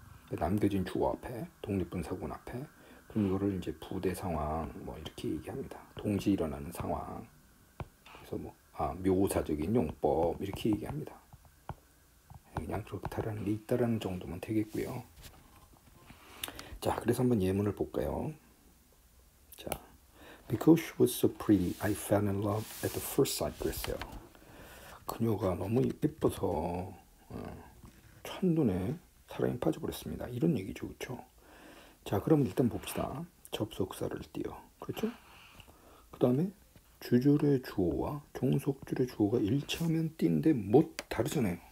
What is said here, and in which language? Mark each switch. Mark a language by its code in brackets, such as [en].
[ko] 남겨진 주어 앞에, 독립분사구문 앞에. 그럼 이거를 이제 부대 상황 뭐 이렇게 얘기합니다. 동시에 일어나는 상황. 그래서 뭐 아, 묘사적인 용법 이렇게 얘기합니다. 그냥 그렇다라는 게 있다라는 정도면 되겠고요. 자, 그래서 한번 예문을 볼까요? [en] 자, Because she was so pretty, I fell in love at the first sight [ko] 그랬어요. 그녀가 너무 예뻐서 첫눈에 사랑에 빠져버렸습니다. 이런 얘기죠, 그렇죠? 자, 그럼 일단 봅시다. 접속사를 띄어. 그렇죠? 그 다음에 주줄의 주어와 종속줄의 주어가 일치하면 띈데 못 다르잖아요.